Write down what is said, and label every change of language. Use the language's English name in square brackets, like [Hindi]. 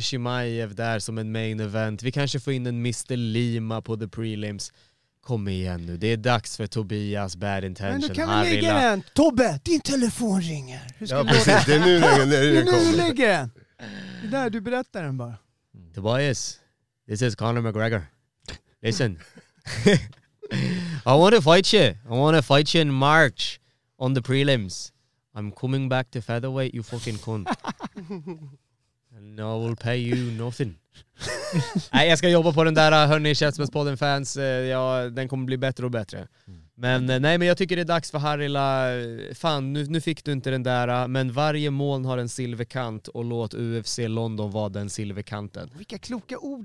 [Swedish] Chimaev där som en main event. Vi kanske får in en Mr. Lima på the prelims. Kom igen nu. Det är dags för Tobias bad intention. Men du kan Harrila. Lägga den. Tobbe, din telefon ringer. Ja, precis. Det är nu lägger den. Det är nu lägger den. Det där, du berättar den bara. [English] Tobias, this is Conor McGregor. Listen. I want to fight you in March on the prelims. I'm coming back to featherweight, you fucking cunt. And I will pay you nothing. [Swedish] Nej, jag ska jobba på den där, hörni, Käftsmällspodden fans. Ja, den kommer bli bättre och bättre. Men nej, men jag tycker det är dags för Harrila. Fan, nu fick du inte den där. Men varje moln har en silverkant. Och låt UFC London vara den silverkanten. Vilka kloka ord.